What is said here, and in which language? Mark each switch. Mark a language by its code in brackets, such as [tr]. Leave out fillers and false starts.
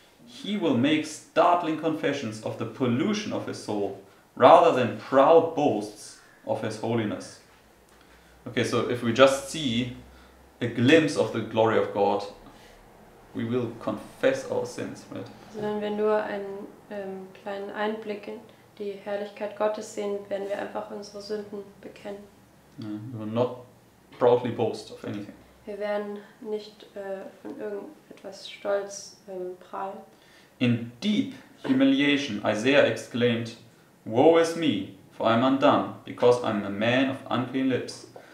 [en] He will make startling confessions of the pollution of his soul rather than proud boasts of his holiness." Okay, so if we just see a glimpse of the glory of God, we will confess our sins, right? [de] Also wenn wir nur einen kleinen Einblick in die Herrlichkeit Gottes sehen, werden wir einfach unsere Sünden bekennen. [en] Yeah, we will not proudly boast of anything. [de] Wir werden nicht von irgendetwas stolz prahlen. [en] In deep humiliation, Isaiah exclaimed, "Woe is me, for I am undone, because I am a man of unclean lips.